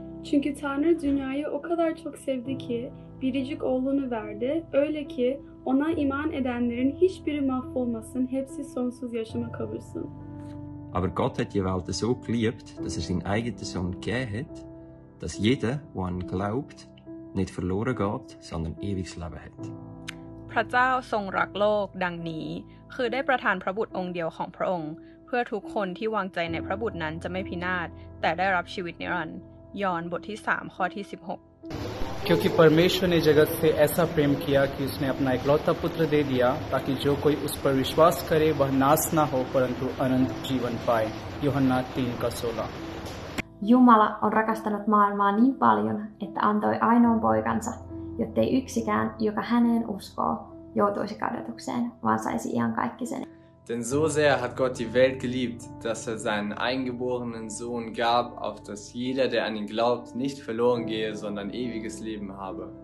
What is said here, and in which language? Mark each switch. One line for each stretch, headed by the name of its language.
Turkish: Çünkü Tanrı dünyayı o kadar çok sevdi ki, biricik oğlunu verdi, öyle ki ona iman edenlerin hiçbiri mahvolmasın, hepsi sonsuz yaşama kavuşsun.
German: Aber Gott hat die Welt so geliebt, dass er seinen eigenen Sohn gegeben hat, dass jeder, der an ihn glaubt, nicht verloren geht, sondern ewiges Leben hat.
Thai: พระเจ้าทรงรักโลกดังนี้คือได้ประทานพระบุตรองค์เดียวของพระองค์เพื่อทุกคนที่วางใจในพระบุตรนั้นจะไม่พินาศแต่ได้รับชีวิตนิรันดร์ยอห์นบทที่3ข้อที่16
Hindi: क्योंकि परमेश्वर ने जगत से ऐसा प्रेम किया कि उसने अपना इकलौता पुत्र दे दिया ताकि जो कोई उस पर विश्वास करे वह नाश ना हो परंतु अनंत जीवन पाए Yohanna 3:16
Finnish: Jumala on rakastanut maailmaa niin paljon että antoi ainoan poikansa jottei yksikään joka häneen uskoo joutuisi kadotukseen vaan saisi iankaikkisen.
German: Denn so sehr hat Gott die Welt geliebt, dass er seinen eingeborenen Sohn gab, auf dass jeder, der an ihn glaubt, nicht verloren gehe, sondern ewiges Leben habe.